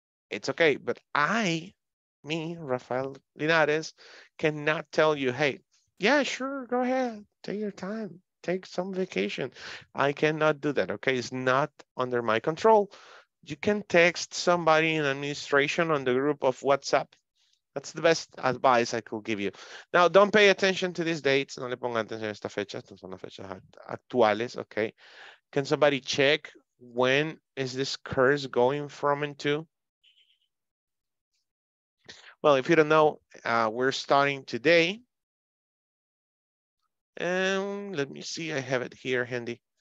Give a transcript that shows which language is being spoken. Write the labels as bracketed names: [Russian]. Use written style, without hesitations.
[English] It's okay, but me, Rafael Linares, cannot tell you, hey, yeah, sure, go ahead, take your time, take some vacation. I cannot do that, okay? It's not under my control. You can text somebody in administration on the group of WhatsApp. That's the best advice I could give you. Now, don't pay attention to these dates. [Spanish] No le pongan atención a estas fechas, no son las fechas actuales, okay? [English] Can somebody check when is this curse going from and to? Well, if you don't know, we're starting today. And let me see, I have it here handy.